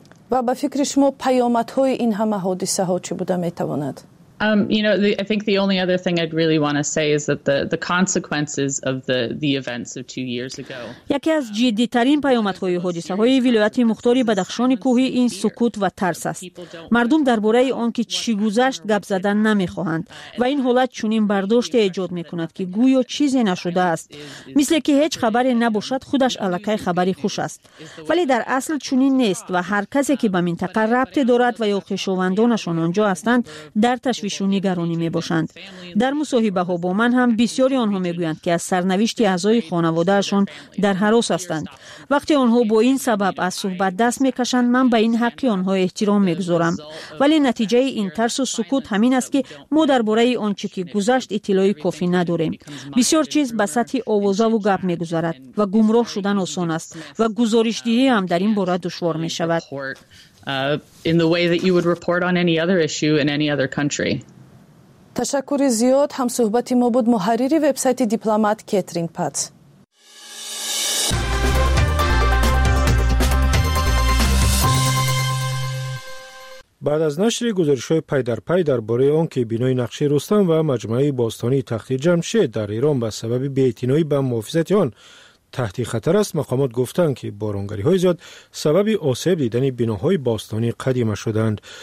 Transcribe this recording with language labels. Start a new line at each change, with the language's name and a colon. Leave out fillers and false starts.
Persian: و به فکر شما پیامت های این همه حادثه ها چی بوده می تواند؟
English: I think the only other thing I'd really want to say is that the consequences of the events of 2 years ago.
Persian: یکی از جدی ترین پیامدهای حادثه‌های ولایت مختاری بدخشان کوهی این سکوت و ترس است. مردم درباره آن که چی گذشت گپ زدن نمی‌خواهند و این حالت چنین برداشت ایجاد می‌کند که گویو چیزی نشده است. مثل که هیچ خبری نباشد خودش علاقه خبری خوش است. ولی در اصل چنین نیست و هر کسی که به منطقه ربط دارد و یا خویشاوندانشان آنجا هستند در تشویش و نگرانی می باشند. در مصاحبه ها با من هم بسیاری آنها می گویند که از سرنوشت اعضای خانواده شان در هراس هستند. وقتی آنها با این سبب از صحبت دست می کشند من به این حقی آنها احترام می گذارم. ولی نتیجه این ترس و سکوت همین است که ما درباره آنچه که گذشت اطلاع کافی نداریم. بسیار چیز به سطح آوازه و گپ می گذارد و گمراه شدن آسان است و گزارش دهی هم در این باره دشوار می شود.
English: In the way that you would report on any other issue in any other country.
Persian: تشکر زیاد هم صحبت ما بود محرری وبسایت دیپلمات کترین پات. بعد از نشر گزارش‌های پی در پی درباره آن که بنای نقشه رستم و مجمعه باستانی تخت جمشید در ایران به سبب بی‌اعتنایی به محافظت آن تحت خطر است، مقامات گفتند که بارانگری های زیاد سبب آسیب دیدن بناهای باستانی قدیمه شدند.